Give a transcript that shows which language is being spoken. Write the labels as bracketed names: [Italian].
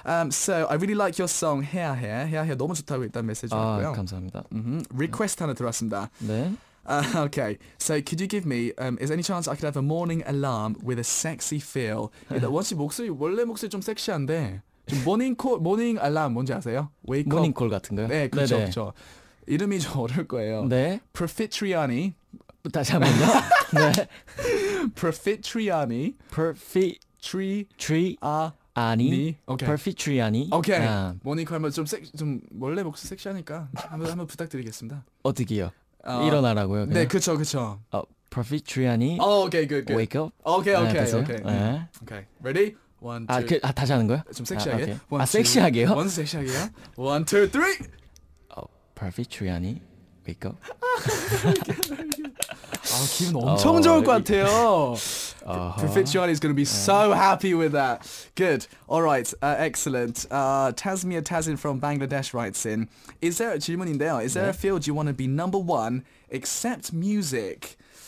[English] So I really like your song Hair Hair. [Korean] Hair Hair 너무 좋다고 일단 메시지 왔고요. 감사합니다. Request 하나 들어왔습니다. 네. [English] Okay, so could you give me, is there any chance I could have a morning alarm with a sexy feel? [Korean] 원씨 목소리, 원래 목소리 좀 섹시한데, 좀 모닝 알람 뭔지 아세요? 웨이크업? 모닝콜 같은가요? 네, 그렇죠, 네네. 그렇죠. 이름이 좀 어려울 거예요. 네. Profitriani. 다시 한 번요. 네. Profitriani. Profitriani. 아니. 오케이. Profitriani. 오케이. 모닝콜 한번 좀 섹시, 좀 원래 목소리 섹시하니까 한번 부탁드리겠습니다. 어떻게요? 일어나라고요. 그냥? 네, 그렇죠, 그렇죠. Profitriani. [English] Oh, okay, good, good. Wake up. Okay, okay, 네, okay. Okay. Okay, ready? One, two. [Korean] 다시 하는 거야? 좀 섹시하게. 아, 섹시하게요? 원 섹시하게요? [English] One, two, three. Profitriani, wake up. [Korean] 아, 기분 엄청 좋을 것 같아요. [English] Profitriani is going to be so happy with that. Good. All right. Excellent. Tasmia Tazin from Bangladesh writes in. Is there a [Korean] 질문인데요? [English] Is there a field you want to be number one except music?